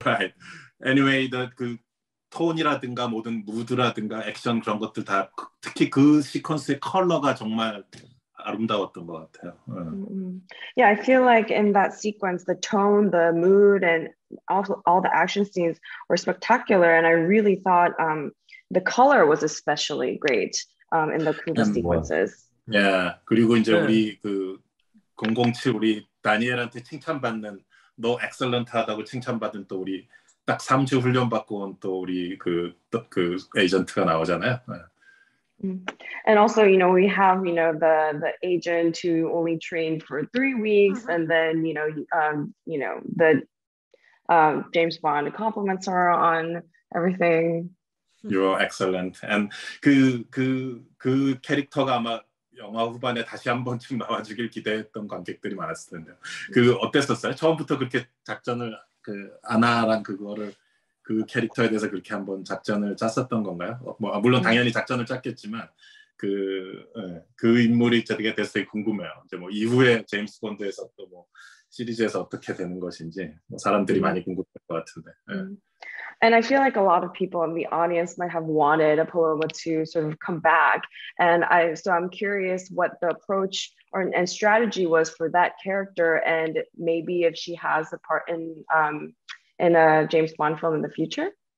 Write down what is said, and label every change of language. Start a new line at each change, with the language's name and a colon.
English: Right. Anyway, the
Korean: 톤이라든가 모든 무드라든가 액션 그런 것들 다 특히 그 시퀀스의 컬러가 정말 아름다웠던 것 같아요.
English: Yeah. Yeah, I feel like in that sequence, the tone, the mood, and also all the action scenes were spectacular. And I really thought the color was especially great in the Kuba sequences.
Korean: Yeah, 그리고 이제 우리 그 007 우리 다니엘한테 칭찬받는 너 엑셀런트하다고 칭찬받은 또 우리 딱 3주 훈련 받고 온 또 우리 그 그 에이전트가 나오잖아요.
English: And also, you know, we have, you know, the agent who only trained for 3 weeks, and then, you know, the James Bond compliments her on everything. You're excellent.
Korean: And 그 캐릭터가 아마 영화 후반에 다시 한 번쯤 나와주길 기대했던 관객들이 많았을 텐데요. 그 어땠었어요? 처음부터 그렇게 작전을 그 아나랑 그거를 그 캐릭터에 대해서 그렇게 한번 작전을 짰었던 건가요? 뭐 물론 당연히 작전을 짰겠지만 그 인물이 어떻게 됐을지 궁금해요. 이제 뭐 이후에 제임스 본드에서 또 뭐 시리즈에서 어떻게 되는 것인지 뭐 사람들이 많이 궁금할 것 같은데. 예.
English: And I feel like a lot of people in the audience might have wanted a Paloma to sort of come back. And I'm curious what the approach and strategy was for that character, and maybe if she has a part in a James Bond film in the future.